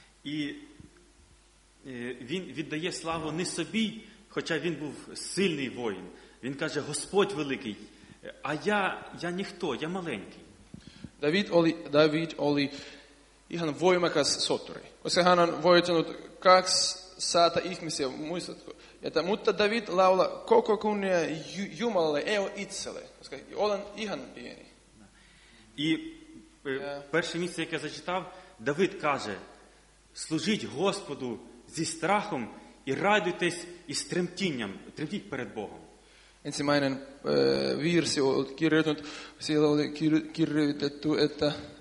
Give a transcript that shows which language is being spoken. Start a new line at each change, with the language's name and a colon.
Ukrainian: І він віддає славу не собі, хоча він був сильний воїн. Він каже, Господь великий, а я ніхто, я маленький.
Finnish: David oli ihan voimakas sotori. Koska hän on voittanut kaksi saata ihmisiä, muistatko? Mutta David laula koko kunnia Jumalalle, ei ole itselle, koska olen ihan pieni.
Ukrainian: І перше місце, яке зачитав, Давид каже, служіть Господу зі страхом і радуйтесь із тремтінням, тремтіть перед Богом.
Finnish: Ensimmäinen virsi on kirjoitettu, siellä oli kirjoitettu, että...